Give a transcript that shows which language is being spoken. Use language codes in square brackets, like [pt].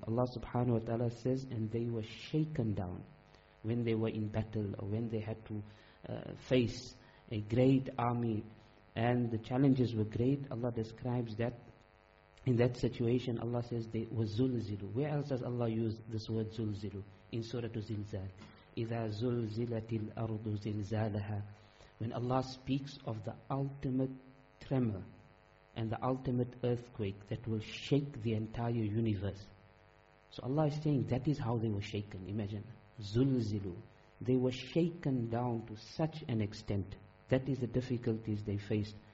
[en] Allah subhanahu wa ta'ala says, and they were shaken down when they were in battle or when they had to face a great army and the challenges were great. Allah describes that in that situation, Allah says they were zulzilu. Where else does Allah use this word zulzilu? In Surah Zilzal, [ar] إِذَا زُلْزِلَتِ الْأَرْضُ زِلْزَالَهَا. [en] When Allah speaks of the ultimate tremor and the ultimate earthquake that will shake the entire universe. So Allah is saying that is how they were shaken. Imagine, zulzilu. They were shaken down to such an extent. That is the difficulties they faced.